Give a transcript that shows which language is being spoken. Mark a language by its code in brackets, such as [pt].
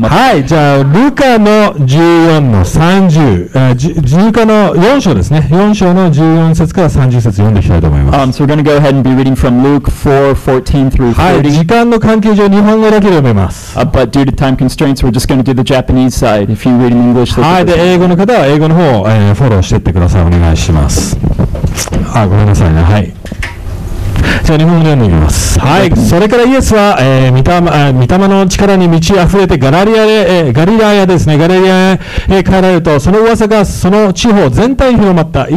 [ja] はい、じゃあルカの14の30、ルカの4章ですね、4章の14節から30節読んでいきたいと思います。 [en] So we're going to go ahead and be reading from Luke 4:14 through 30. [ja] はい、時間の関係上日本語だけで読めます。 [en] But due to time constraints, we're just going to do the Japanese side. If you read in English, [ja] はい、で英語の方は英語の方を、フォローしていってください、お願いします。あ、ごめんなさいね、はい。じゃあ日本語で読んでいきます。はい。それからイエスは、御霊の力に満ち溢れてガリラヤですね。ガリラヤへ帰られると、その噂がその地方全体に広まった。